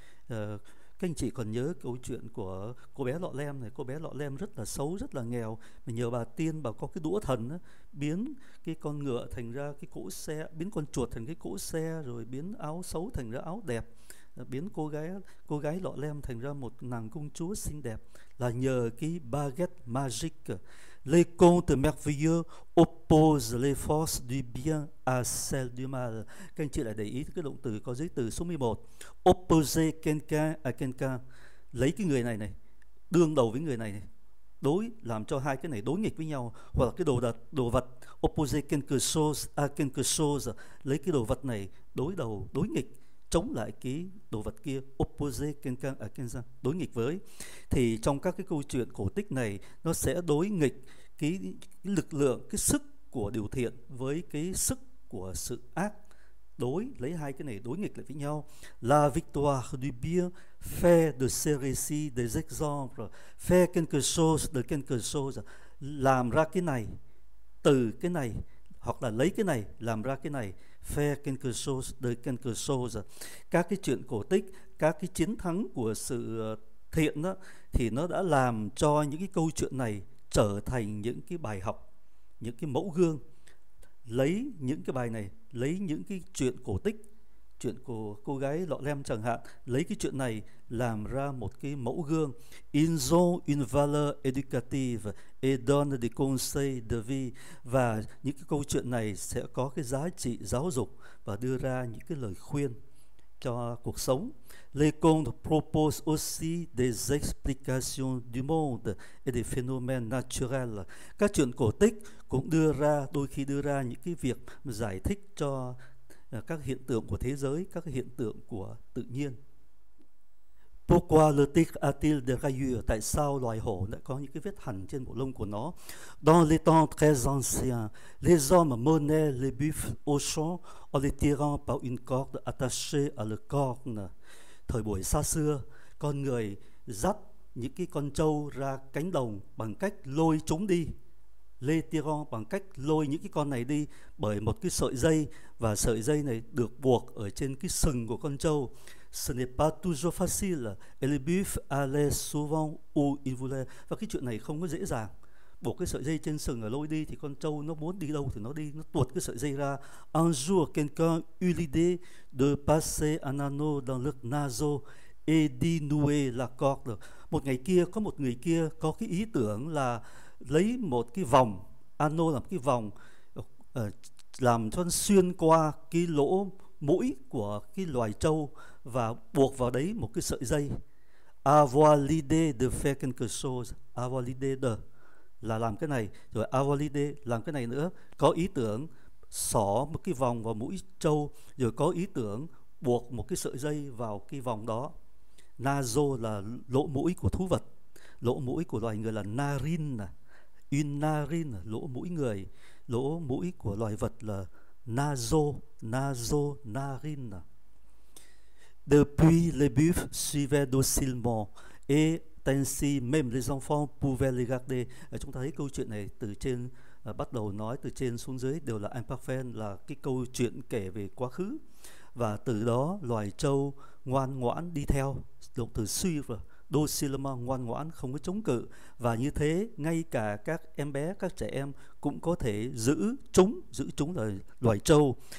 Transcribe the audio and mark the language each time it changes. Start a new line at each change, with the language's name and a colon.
Vietnamese: Các anh chị còn nhớ câu chuyện của cô bé lọ lem này, cô bé lọ lem rất là xấu, rất là nghèo, mà nhờ bà tiên, bà có cái đũa thần á, biến cái con ngựa thành ra cái cỗ xe, biến con chuột thành cái cỗ xe, rồi biến áo xấu thành ra áo đẹp, biến cô gái lọ lem thành ra một nàng công chúa xinh đẹp, là nhờ cái baguette magique.
French: Les contes merveilleux opposent les forces du bien à celles du mal.
Vietnamese: Các anh chị lại để ý cái động từ có giới từ số 11.
French: Opposer quelqu'un à quelqu'un,
Vietnamese: lấy cái người này này đương đầu với người này này, đối làm cho hai cái này đối nghịch với nhau, hoặc là cái đồ vật.
French: Opposer quelque chose à quelque chose,
Vietnamese: lấy cái đồ vật này đối đầu, đối nghịch, chống lại cái đồ vật kia.
French: Opposé quelqu'un à quelqu'un,
Vietnamese: đối nghịch với. Thì trong các cái câu chuyện cổ tích này, nó sẽ đối nghịch cái lực lượng, cái sức của điều thiện với cái sức của sự ác, đối lấy hai cái này đối nghịch lại với nhau.
French: La victoire du bien fait de ces récits des exemples, fait quelque chose de quelque chose,
Vietnamese: làm ra cái này
French: từ cái này, hoặc là lấy cái này làm ra cái này, fait quelque chose de quelque chose.
Vietnamese: Các cái chuyện cổ tích, các cái chiến thắng của sự thiện đó, thì nó đã làm cho những cái câu chuyện này trở thành những cái bài học, những cái mẫu gương. Lấy những cái bài này, lấy những cái chuyện cổ tích, chuyện của cô gái lọ lem chẳng hạn, lấy cái chuyện này làm ra một cái mẫu gương.
French: Ils ont une valeur éducative et donnent des conseils de vie.
Vietnamese: Và những cái câu chuyện này sẽ có cái giá trị giáo dục và đưa ra những cái lời khuyên cho cuộc sống.
French: Les contes proposent aussi des explications du monde et des phénomènes naturels.
Vietnamese: Các chuyện cổ tích cũng đôi khi đưa ra những cái việc giải thích cho các hiện tượng của thế giới, các hiện tượng của tự nhiên.
French: Pourquoi le tigre a-t-il des rayures?
Vietnamese: Tại sao loài hổ lại có những cái vết hằn trên bộ lông của nó?
French: Dans les temps très anciens, les hommes menaient les buffles au champ en les tirant par une corde attachée à leur corne.
Vietnamese: Thời buổi xa xưa, con người dắt những cái con trâu ra cánh đồng bằng cách lôi chúng đi.
French: Les tirant,
Vietnamese: bằng cách lôi những cái con này đi bởi một cái sợi dây, và sợi dây này được buộc ở trên cái sừng của con trâu.
French: Ce n'est pas toujours facile et les buffles allaient souvent où ils voulaient.
Vietnamese: Và cái chuyện này không có dễ dàng. Buộc cái sợi dây trên sừng ở lôi đi thì con trâu nó muốn đi đâu thì nó đi, nó tuột cái sợi dây ra.
French: Un jour quelqu'un eut l'idée de passer un anneau dans le naseau et d'y nouer la corde.
Vietnamese: Một ngày kia có một người kia có cái ý tưởng là lấy một cái vòng, anô là một cái vòng, làm cho nó xuyên qua cái lỗ mũi của cái loài trâu và buộc vào đấy một cái sợi dây.
French: Avoir l'idée de faire quelque chose,
Vietnamese: avoir l'idée de là làm cái này, rồi avoir l'idée làm cái này nữa, có ý tưởng xỏ một cái vòng vào mũi trâu, rồi có ý tưởng buộc một cái sợi dây vào cái vòng đó. Naso là lỗ mũi của thú vật, lỗ mũi của loài người là narin,
French: une narine,
Vietnamese: lỗ mũi người, lỗ mũi của loài vật là naso, narine.
French: Depuis, les buffles suivaient docilement et ainsi même les enfants pouvaient les garder.
Vietnamese: Chúng ta thấy câu chuyện này từ trên bắt đầu nói, từ trên xuống dưới đều là imparfait, là cái câu chuyện kể về quá khứ. Và từ đó loài trâu ngoan ngoãn đi theo, động từ suivre, docilement, ngoan ngoãn, không có chống cự. Và như thế, ngay cả các em bé, các trẻ em cũng có thể giữ chúng là loài trâu.